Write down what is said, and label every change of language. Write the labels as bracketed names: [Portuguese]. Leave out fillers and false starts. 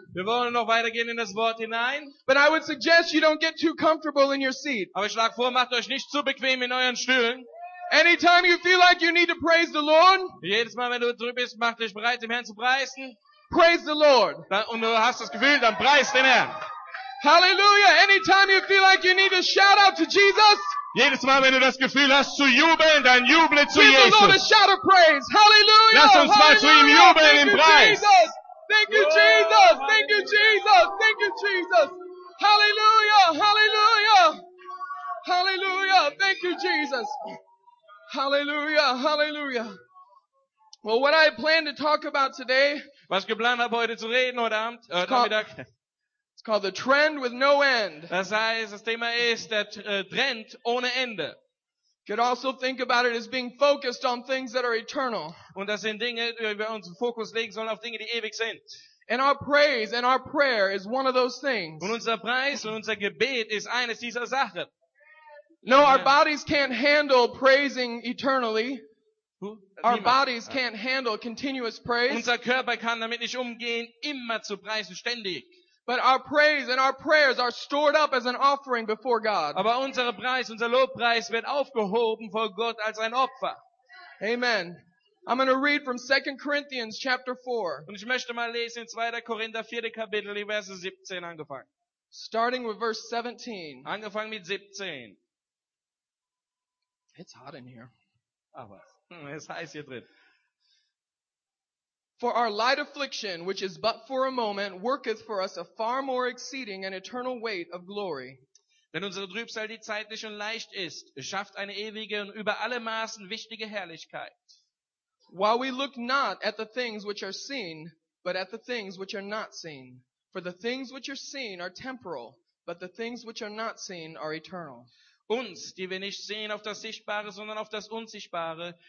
[German] Wir wollen noch weiter gehen in das Wort hinein. [English] But I would suggest you don't get too comfortable in your seat. [German] Aber ich schlage vor, macht euch nicht zu bequem in euren Stühlen. [English] Anytime you feel like you need to praise the Lord. [German] Jedes Mal, wenn du drüben bist, mach dich bereit, dem Herrn zu preisen. [English] Praise the Lord. [German] Und du hast das Gefühl, dann preis den Herrn. [English] Hallelujah. Anytime you feel like you need to shout out to Jesus. [German] Jedes Mal, wenn du das Gefühl hast zu jubeln, dann juble zu Jesus. [English] Give the Lord a shout of praise. Hallelujah. [German] Lass uns mal zu ihm jubeln im Preis. [English] Thank you, Jesus. Thank you, Jesus. Thank you, Jesus. Hallelujah. Hallelujah. Hallelujah. Thank you, Jesus. Hallelujah, hallelujah. Well, what I plan to talk about today, [German] was ich geplant habe, heute zu reden, heute Abend, [English] it's called the trend with no end. [German] Das heißt, das Thema ist der Trend ohne Ende. [English] Could also think about it as being focused on things that are eternal. [German] Und das sind Dinge, die wir uns Fokus legen sollen auf Dinge, die ewig sind. [English] And our praise and our prayer is one of those things. [German] Und unser Preis und unser Gebet ist eines dieser Sachen. [English] No, our bodies can't handle praising eternally. Our bodies can't handle continuous praise. [German] Unser Körper kann damit nicht umgehen, immer zu preisen, ständig. [English] But our praise and our prayers are stored up as an offering before God. [German] Aber unser Preis, unser Lobpreis wird aufgehoben vor Gott als ein Opfer. [English] Amen. I'm going to read from 2 Corinthians chapter 4. [German] Und ich möchte mal lesen in 2. Korinther 4. Kapitel, Verse 17 angefangen. [English] Starting with verse 17. [German] Angefangen mit 17. [English] It's hot in here. [German] Aber es heißt hier drin. [English] For our light affliction, which is but for a moment, worketh for us a far more exceeding and eternal weight of glory. [German] Denn unsere Trübsal, die zeitlich und leicht ist, schafft eine ewige und über alle Maßen wichtige Herrlichkeit. [English] While we look not at the things which are seen, but at the things which are not seen. For the things which are seen are temporal, but the things which are not seen are eternal. [German] Uns, die wir nicht sehen auf das Sichtbare, sondern auf das Unsichtbare.